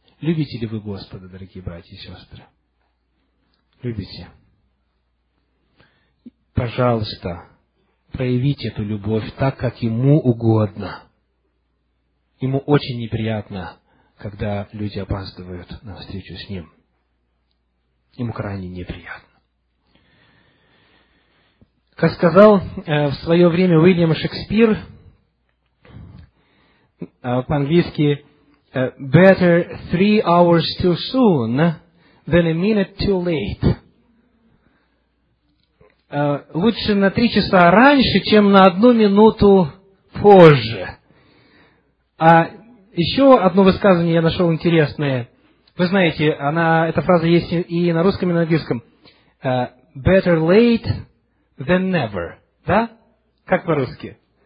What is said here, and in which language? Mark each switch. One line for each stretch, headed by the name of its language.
Russian: Любите ли вы Господа, дорогие братья и сестры? Любите? Пожалуйста, проявите эту любовь так, как Ему угодно. Ему очень неприятно, когда люди опаздывают на встречу с Ним. Ему крайне неприятно. Как сказал в свое время Уильям Шекспир, по-английски,
English: better 3 hours too soon than a minute too late.
Russian: Лучше на 3 часа раньше, чем на 1 минуту позже. А еще одно высказывание я нашел интересное. Вы знаете, эта фраза есть и на русском, и на английском.
English: Better late than never.
Russian: Да? Как по-русски?